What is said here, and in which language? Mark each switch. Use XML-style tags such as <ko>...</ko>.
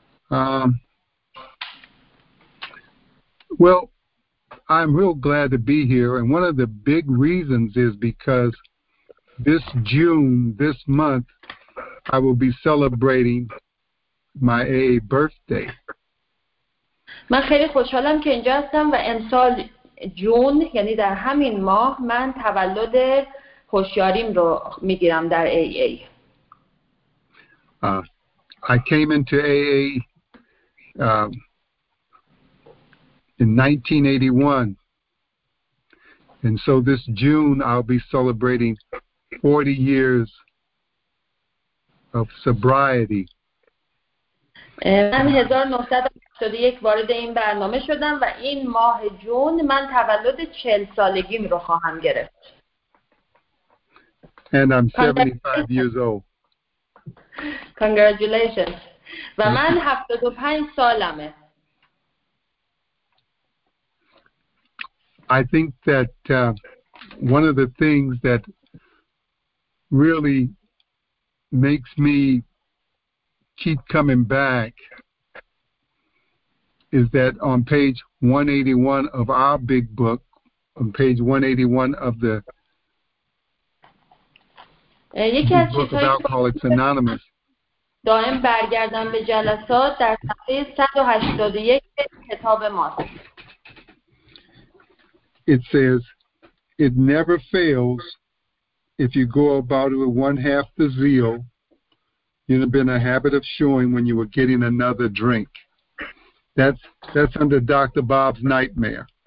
<en>Well, I'm real glad to be here, and one of the big reasons is because this June, this month, I will be celebrating my AA birthday.</en> <fa>من خیلی خوشحالم که اینجا هستم و امسال جون یعنی در همین ماه من تولد هوشیاریم رو میگیرم در AA.</fa> <en>I came into AA in 1981. And so this June I'll be celebrating 40 years of sobriety.</en> <fa>من 1981 وارد این برنامه شدم و این ماه جون من تولد 40 سالگیم رو خواهم گرفت.</fa> <en>And I'm 75 years old. Congratulations.</en> <fa>و من 75 سالمه.</fa> <en>I think that one of the things that really makes me keep coming back is that on page 181 of our big book, on page 181 of the book of Alcoholics Anonymous.</en> <fa>دائم برگردم به جلسات در صفحه 181 کتاب ما.</fa> <en>It says, it never fails if you go about it with one half the zeal you'd have been a habit of showing when you were getting another drink. That's under Dr. Bob's nightmare.</en>